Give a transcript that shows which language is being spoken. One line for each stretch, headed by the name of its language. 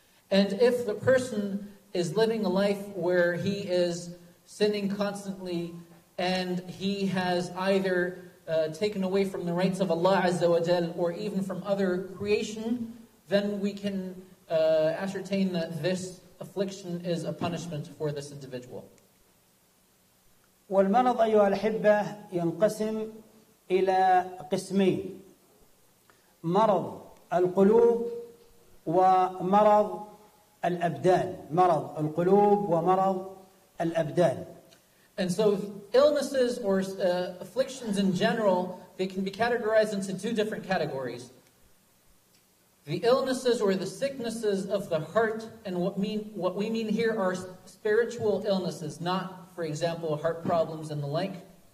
English: And if the person is living a life where he is sinning constantly and he has either taken away from the rights of Allah Azza wa Jal or even from other creation, then we can ascertain that this affliction is a punishment for this individual.
Arabic: والمرض أيها الأحبة ينقسم إلى قسمين مرض القلوب ومرض الأبدان مرض القلوب ومرض الأبدان.
English: And so illnesses or afflictions in general, they can be categorized into two different categories. The illnesses or the sicknesses of the heart, and what we mean here are spiritual illnesses, not, for example, heart problems and the like.